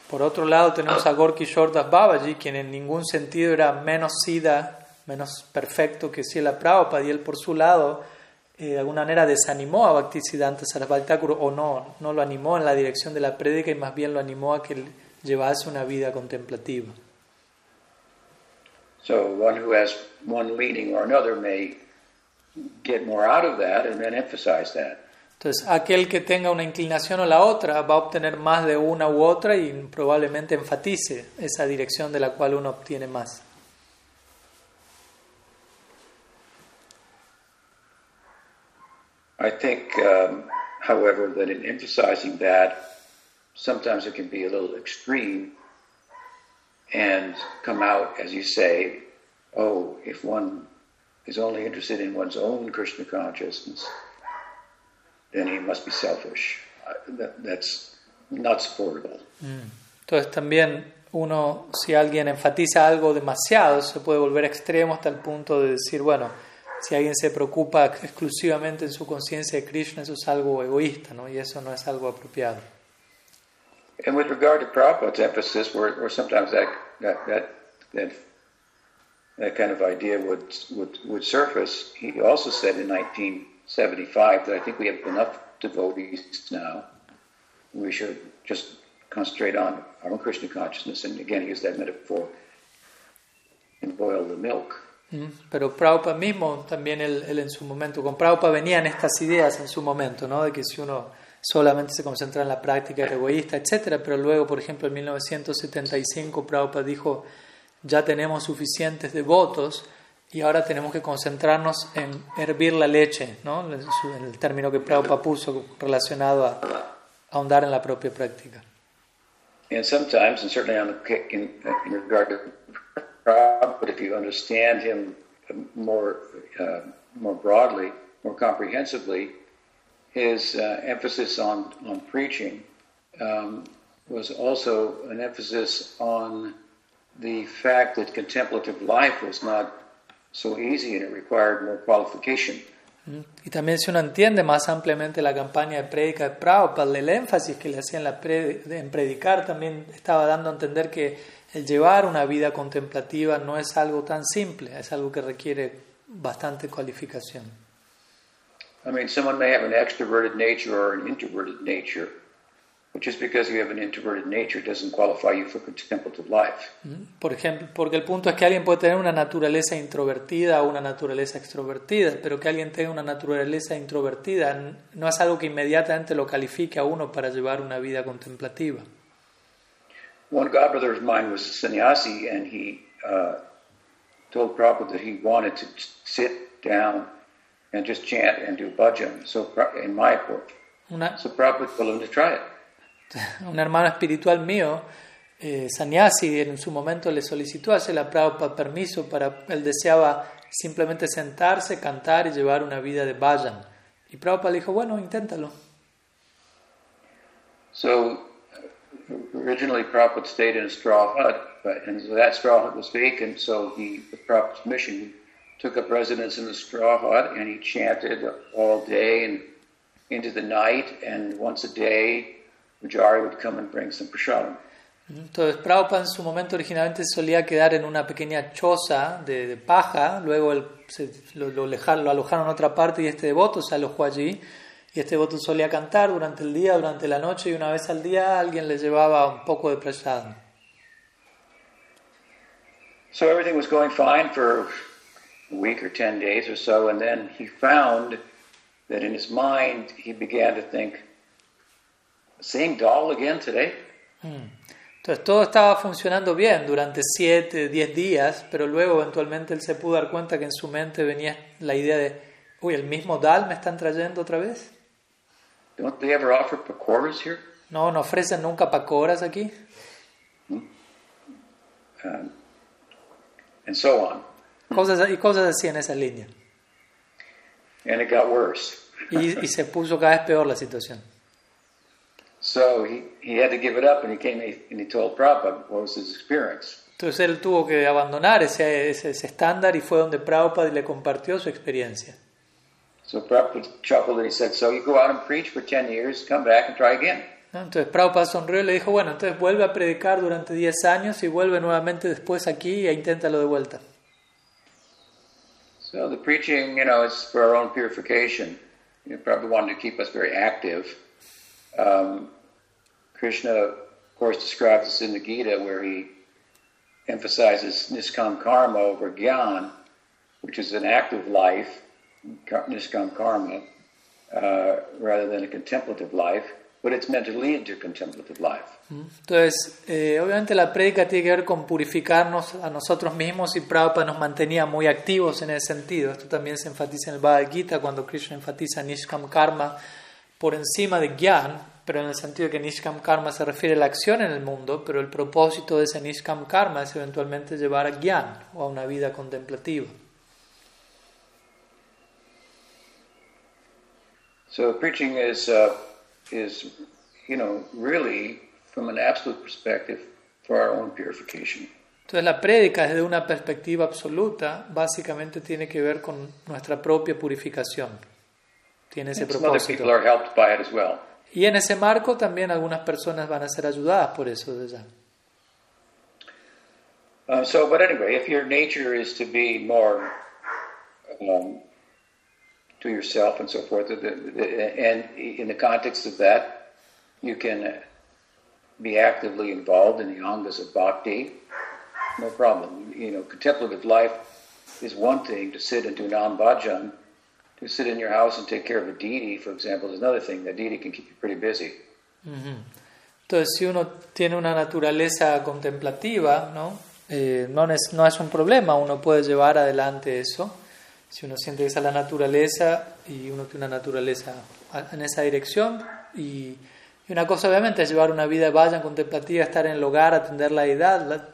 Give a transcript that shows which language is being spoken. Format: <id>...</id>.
<es>Por otro lado, tenemos a Gorky Shordas Babaji, quien en ningún sentido era menos sida, menos perfecto que Srila Prabhupada, y él por su lado de alguna manera desanimó a Bhaktisiddhanta Sarasvati Thakur, o no lo animó en la dirección de la prédica, y más bien lo animó a que llevase una vida contemplativa.</es> <en>So one who has one leaning or another may get more out of that and then emphasize that.</en> <es>Entonces, aquel que tenga una inclinación o la otra va a obtener más de una u otra y probablemente enfatice esa dirección de la cual uno obtiene más.</es> <en>I think, however, that in emphasizing that, sometimes it can be a little extreme and come out, as you say, oh, if one is only interested in one's own Krishna consciousness, then he must be selfish. That's not supportable.</en> <es>Entonces también uno, si alguien enfatiza algo demasiado, se puede volver extremo hasta el punto de decir, bueno, si alguien se preocupa exclusivamente en su conciencia de Krishna, eso es algo egoísta, ¿no? Y eso no es algo apropiado.</es> <en>And with regard to Prabhupada's emphasis, or sometimes that kind of idea would surface, he also said in 1975 that I think we have enough devotees now, we should just concentrate on our own Krishna consciousness, and again use that metaphor and boil the milk.</en> <es>Pero Prabhupada mismo también él en su momento, con Prabhupada venían estas ideas en su momento, ¿no? De que si uno solamente se concentra en la práctica egoísta, etcétera, pero luego, por ejemplo, en 1975 Prabhupada dijo, ya tenemos suficientes devotos y ahora tenemos que concentrarnos en hervir la leche, ¿no? En el término que Prabhupada puso relacionado a ahondar en la propia práctica.</es> <en>And sometimes, and certainly in regard to Prabhupada, if you understand him more broadly, more comprehensively, his emphasis on preaching was also an emphasis on the fact that contemplative life was not so easy and it required more qualification.</en> <es>Y también si uno entiende más ampliamente la campaña de prédica de Prabhupada, el énfasis que le hacía en predicar también estaba dando a entender que el llevar una vida contemplativa no es algo tan simple, es algo que requiere bastante cualificación.</es> <en>I mean, someone may have an extroverted nature or an introverted nature, but just because you have an introverted nature doesn't qualify you for contemplative life.</en> <es>Por ejemplo, porque el punto es que alguien puede tener una naturaleza introvertida o una naturaleza extrovertida, pero que alguien tenga una naturaleza introvertida no es algo que inmediatamente lo califique a uno para llevar una vida contemplativa.</es> <en>One godbrother of mine was a sannyasi, and he told Prabhupada that he wanted to sit down and just chant and do bhajan. So in my report, so Prabhupada told him to try it.</en> <es>Un hermano espiritual mío, sannyasi, en su momento le solicitó a Srila Prabhupada permiso para, él deseaba simplemente sentarse, cantar y llevar una vida de bhajan. Y Prabhupada le dijo, bueno, inténtalo.</es> <en>So originally Prabhupada stayed in a straw hut, and so that straw hut was vacant, so he, with Prabhupada's permission, took up residence in the straw hut, and he chanted all day and into the night, and once a day, Pujari would come and bring some prasadam.</en> <es>Entonces, Prabhupada en su momento originalmente solía quedar en una pequeña choza de paja, luego lo alojaron en otra parte y este devoto se alojó allí, y este devoto solía cantar durante el día, durante la noche, y una vez al día alguien le llevaba un poco de prasadam.</es> <en>So everything was going fine for a week or 10 days or so, and then he found that in his mind he began to think, same doll again today?</en> <es>Entonces todo estaba funcionando bien durante 7, 10 días, pero luego eventualmente él se pudo dar cuenta que en su mente venía la idea de, uy, ¿el mismo doll me están trayendo otra vez?</es> <en>Don't they ever offer pakoras here?</en> <es>¿No, no ofrecen nunca pakoras aquí?</es> <en>And so on.</en> <es>Cosas así en esa línea.</es> <en>And it got worse.</en> <es>Y se puso cada vez peor la situación.</es> <en>So he had to give it up, and he came and he told Prabhupada what was his experience.</en> <es>Entonces él tuvo que abandonar ese estándar y fue donde Prabhupada le compartió su experiencia.</es> <en>So Prabhupada chuckled and he said, "So you go out and preach for 10 years, come back and try again."</en> <es>¿No? Entonces Prabhupada sonrió y le dijo, bueno, entonces vuelve a predicar durante 10 años y vuelve nuevamente después aquí e inténtalo de vuelta.</es> <en>So the preaching, you know, is for our own purification. You probably wanted to keep us very active. Krishna, of course, describes this in the Gita where he emphasizes niskam karma over gyan, which is an active life, niskam karma, rather than a contemplative life, but it's meant to lead to contemplative life.</en> <es>Entonces, obviamente la prédica tiene que ver con purificarnos a nosotros mismos y Prabhupada nos mantenía muy activos en ese sentido. Esto también se enfatiza en el Bhagavad Gita cuando Krishna enfatiza niskam karma por encima de gyan, pero en el sentido que niskam karma se refiere a la acción en el mundo, pero el propósito de ese niskam karma es eventualmente llevar a gyan o a una vida contemplativa.</es> <en>So preaching is you know, really from an absolute perspective for our own purification.</en> <es>Entonces la prédica desde una perspectiva absoluta básicamente tiene que ver con nuestra propia purificación. Tiene ese propósito.</es> <en>Some other people are helped by it as well.</en> <es>Y en ese marco también algunas personas van a ser ayudadas por eso desde ya.</es> <en>So but anyway, if your nature is to be more to yourself and so forth, and in the context of that, you can be actively involved in the angas of bhakti, no problem. You know, contemplative life is one thing, to sit and do non-bhajan, to sit in your house and take care of a deity, for example, is another thing. That deity can keep you pretty busy. Mm-hmm.</en> <es>Entonces, si uno tiene una naturaleza contemplativa, ¿no? No es un problema, uno puede llevar adelante eso. Si uno siente esa la naturaleza y uno tiene una naturaleza en esa dirección, y una cosa obviamente es llevar una vida vaya contemplativa, estar en el hogar, atender la deidad.</es>